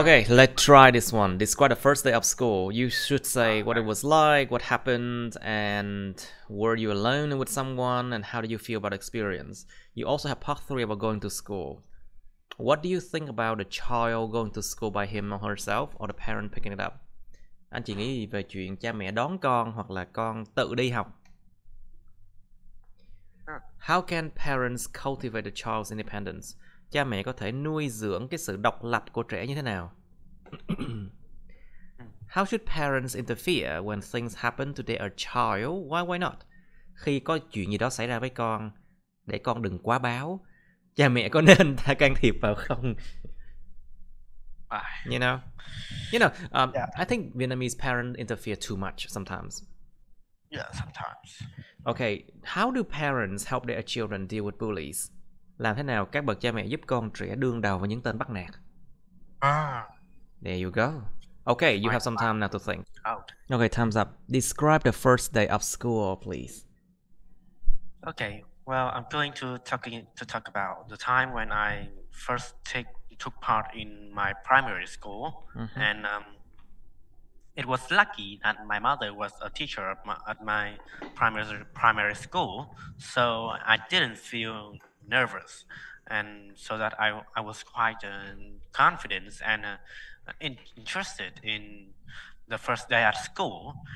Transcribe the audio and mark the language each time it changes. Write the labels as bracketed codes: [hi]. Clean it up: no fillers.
[en] Okay, let's try this one. Describe the first day of school. You should say what it was like, what happened, and were you alone with someone, and how do you feel about the experience? You also have part three about going to school. What do you think about a child going to school by him or herself, or the parent picking it up? [vi] Anh chị nghĩ về chuyện cha mẹ đón con hoặc là con tự đi học. [en] How can parents cultivate a child's independence? [vi] Cha mẹ có thể nuôi dưỡng cái sự độc lập của trẻ như thế nào? [en] How should parents interfere when things happen to their child? Why not? [vi] Khi có chuyện gì đó xảy ra với con, để con đừng quá báo, cha mẹ có nên ta can thiệp vào không? [en] Bye. I think Vietnamese parents interfere too much sometimes. Yeah, sometimes. Okay, how do parents help their children deal with bullies? [vi] Làm thế nào các bậc cha mẹ giúp con trẻ đương đầu với những tên bắt nạt? [en] There you go. Okay, you have some time now to think. Okay, time's up. Describe the first day of school, please. Okay, well, I'm going to talk about the time when I first took part in my primary school, and it was lucky that my mother was a teacher at my primary school, so I didn't feel nervous, and so that I was quite confident and interested in the first day at school.